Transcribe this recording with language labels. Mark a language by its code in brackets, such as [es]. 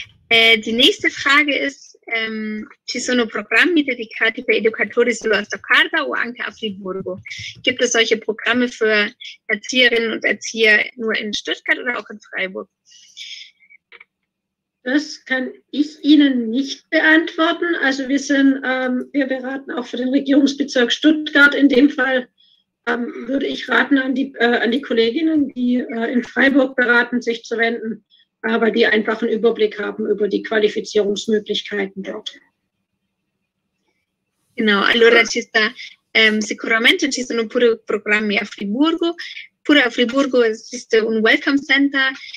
[de] Die nächste Frage ist: [it] ci sono programmi dedicati per educatori sulla Stoccarda o anche a Friburgo? [de] Gibt es solche Programme für Erzieherinnen und Erzieher nur in Stuttgart oder auch in Freiburg? Das kann ich Ihnen nicht beantworten. Also wir beraten auch für den Regierungsbezirk Stuttgart. In dem Fall würde ich raten, an die Kolleginnen, die in Freiburg beraten, sich zu wenden. Aber die einfach einen Überblick haben über die Qualifizierungsmöglichkeiten dort. [it] Genau, allora ci sta. Sicuramente ci sono pure programmi a Friburgo. Pure a Friburgo esiste un Welcome Center.